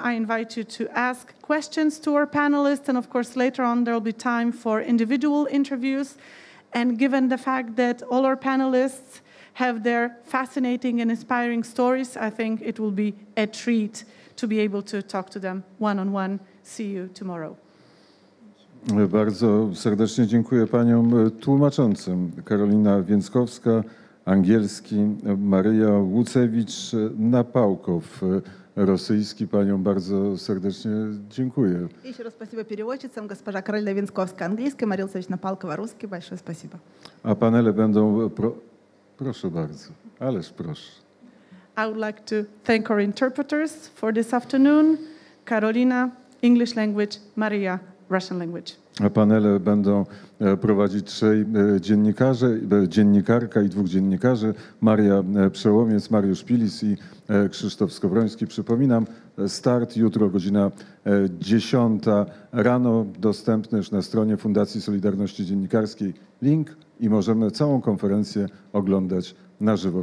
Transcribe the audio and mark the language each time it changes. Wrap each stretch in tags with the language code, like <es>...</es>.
<en>I invite you to ask questions to our panelists, and of course later on there will be time for individual interviews. And given the fact that all our panelists have their fascinating and inspiring stories, I think it will be a treat to be able to talk to them one-on-one. See you tomorrow.</en> <pl>Bardzo serdecznie dziękuję paniom tłumaczącym. Karolina Więckowska, angielski, Maria Łucewicz, Napałkow, rosyjski. Paniom bardzo serdecznie dziękuję. Jeszcze raz</pl> <ru>спасибо переводчицам. Госпожа Каролина Венцковская, английский, Мария Луцевич, Напалкова, русский. Большое спасибо. А панели</ru> <pl>będą... Proszę bardzo. Ależ proszę.</pl> <en>I would like to thank our interpreters for this afternoon. Karolina, English language, Maria, Russian language.</en> <pl>A panele będą prowadzić trzej dziennikarze, dziennikarka i dwóch dziennikarzy, Maria Przełomiec, Mariusz Pilis i Krzysztof Skowroński. Przypominam, start jutro godzina 10 rano, dostępny już na stronie Fundacji Solidarności Dziennikarskiej, link, i możemy całą konferencję oglądać na żywo.</pl>